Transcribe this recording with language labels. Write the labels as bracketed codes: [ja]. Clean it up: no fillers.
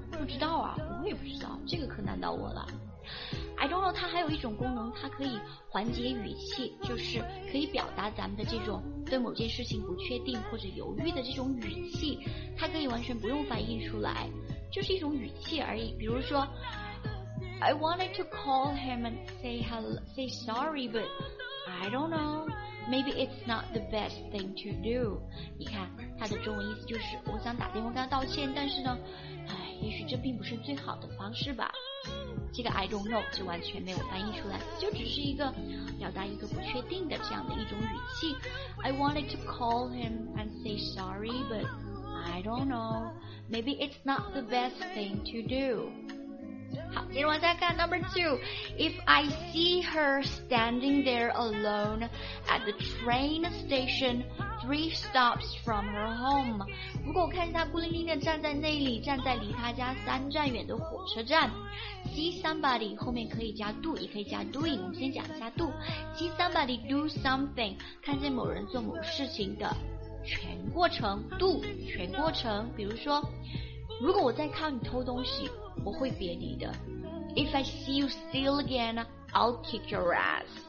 [zh] 不知道啊，我也不知道，这个可难倒我了。I don't know 它还有一种功能，它可以缓解语气，就是可以表达咱们的这种对某件事情不确定或者犹豫的这种语气，它可以完全不用翻译出来，就是一种语气而已。 [en] 比如说 I wanted to call him and say hello, say sorry, but I don't know. Maybe it's not the best thing to do. [zh] 你看他的中文意思就是我想打电话跟他道歉，但是呢唉，也许这并不是最好的方式吧。这个 I don't know 就完全没有翻译出来，就只是一个表达一个不确定的这样的一种语气。 [en] I wanted to call him and say sorry, butI don't know. Maybe it's not the best thing to do. [zh] 好，接着往下看 [en] number two. If I see her standing there alone at the train station three stops from her home. [zh] 如果我看见她孤零零地站在那里，站在离她家三站远的火车站。 See somebody 后面可以加 do， 也可以加 doing。我们先讲一下 do。 [en] See somebody do something， [zh] 看见某人做某事情的。全过程 do 全过程。比如说如果我再靠你偷东西我会别你的。 [en] If I see you steal again I'll kick your ass.